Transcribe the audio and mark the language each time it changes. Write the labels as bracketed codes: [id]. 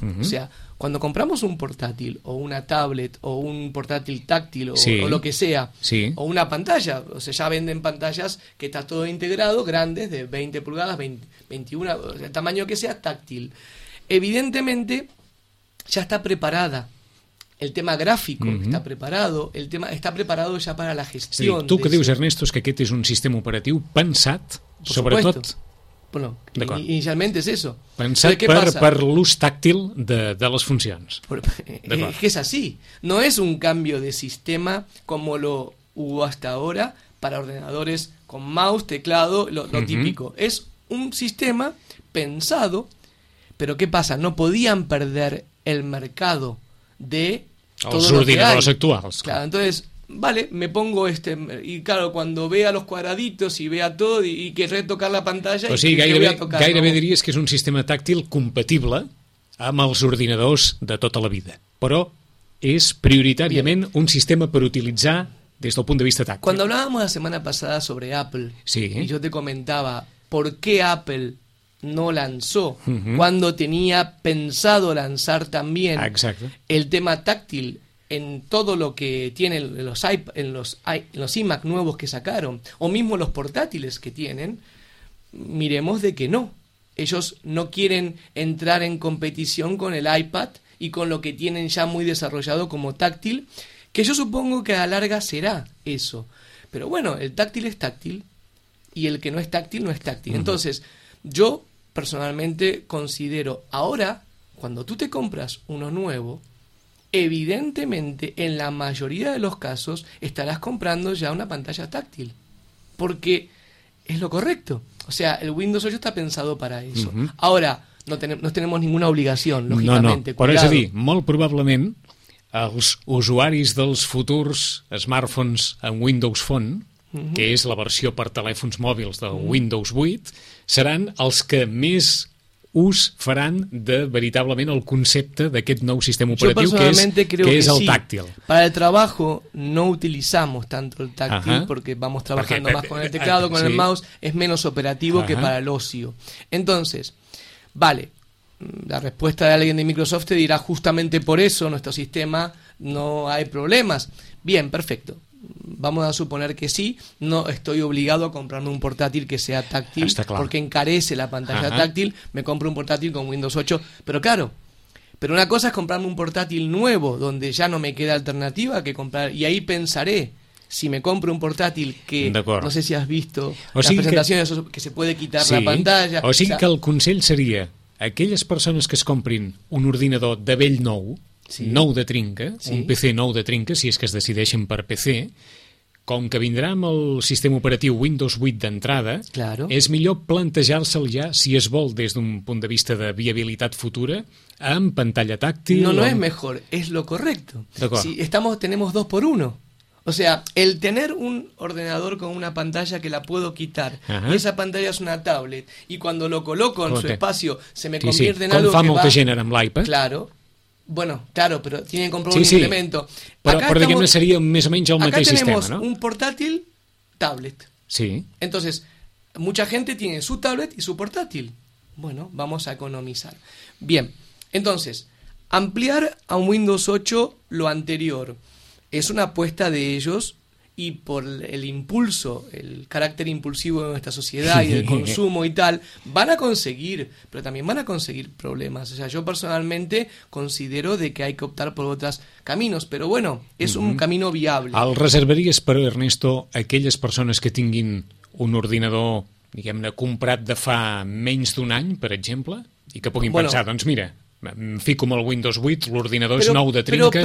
[es] O sea, cuando compramos un portátil o una tablet o un portátil táctil o lo que sea, o una pantalla, o sea, ya venden pantallas que está todo integrado, grandes, de 20 pulgadas, 21, o sea, el tamaño que sea, táctil. Evidentemente, ya está preparada. El tema gráfico está preparado, el tema está preparado ya para la gestión. [ca] Sí, tú que dius, Ernesto, és que aquest és un sistema operatiu pensat, sobretot... [es] Bueno, inicialmente es eso. [ca] Pensar per l'ús táctil de les funcions. [es] Es que es así. No es un cambio de sistema como lo hubo hasta ahora para ordenadores con mouse, teclado, lo típico. Es un sistema pensado, pero ¿qué pasa? No podían perder el mercado de los ordenadores actuales. Claro, entonces... Vale, me pongo este... Y claro, cuando vea los cuadraditos y vea todo y querré tocar la pantalla... [ca] O sigui, gairebé diries que és un sistema tàctil compatible amb els ordinadors de tota la vida. Però és prioritàriament un sistema per utilitzar des del punt de vista tàctil. [es] Cuando hablábamos la semana pasada sobre Apple, y yo te comentaba por qué Apple no lanzó cuando tenía pensado lanzar también el tema táctil... en todo lo que tienen los iMac nuevos que sacaron, o mismo los portátiles que tienen, miremos de que no. Ellos no quieren entrar en competición con el iPad y con lo que tienen ya muy desarrollado como táctil, que yo supongo que a la larga será eso. Pero bueno, el táctil es táctil, y el que no es táctil, no es táctil. Entonces, yo personalmente considero ahora, cuando tú te compras uno nuevo... evidentemente, en la mayoría de los casos, estarás comprando ya una pantalla táctil. Porque es lo correcto. O sea, el Windows 8 está pensado para eso. Ahora, no tenemos ninguna obligación, lógicamente. No, no. [ca] Però és a dir, molt probablement, els usuaris dels futurs smartphones amb Windows Phone, que és la versió per telèfons mòbils del Windows 8, seran els que més... ús faran de veritablement el concepte d'aquest nou sistema operatiu que és el táctil. [es] Para el trabajo no utilizamos tanto el táctil porque vamos trabajando más con el teclado, con el mouse, es menos operativo que para el ocio. Entonces, vale, la respuesta de alguien de Microsoft te dirá justamente por eso nuestro sistema no hay problemas. Bien, perfecto. Vamos a suponer que sí, no estoy obligado a comprarme un portátil que sea táctil, porque encarece la pantalla táctil, me compro un portátil con Windows 8, pero claro, pero una cosa es comprarme un portátil nuevo, donde ya no me queda alternativa que comprar, y ahí pensaré, si me compro un portátil que, no sé si has visto las presentaciones, que se puede quitar la pantalla. [ca] O sigui que el consell seria, aquelles persones que es comprin un ordinador de vell nou, nou de trinca, un PC nou de trinca, si és que es decideixen per PC, com que vindrà amb el sistema operatiu Windows 8 d'entrada, és millor plantejar-se'l ja, si es vol, des d'un punt de vista de viabilitat futura, amb pantalla tàctil... [es] No, no és mejor, és lo correcto. Si tenemos dos por uno. O sea, el tener un ordenador con una pantalla que la puedo quitar, y esa pantalla es una tablet, y cuando lo coloco en su espacio, se me convierte en algo que va... [ca] Com fa molta gent amb l'iPad. [es] Claro. Bueno, claro, pero tienen que comprar un implemento. [ca] Pero diguem-ne, seria més o menys el mateix sistema, no? [es] Acá tenemos un portátil tablet. Sí. Entonces, mucha gente tiene su tablet y su portátil. Bueno, vamos a economizar. Bien, entonces, ampliar a un Windows 8 lo anterior es una apuesta de ellos y por el impulso, el carácter impulsivo de nuestra sociedad y del consumo y tal, van a conseguir, pero también van a conseguir problemas. O sea, yo personalmente considero de que hay que optar por otros caminos, pero bueno, es un camino viable. [ca] ¿El reservaries per, Ernesto, aquelles persones que tinguin un ordinador, diguem-ne, comprat de fa menys d'un any, per exemple, i que puguin pensar, doncs mira, fico amb el Windows 8, l'ordinador és nou de trinca...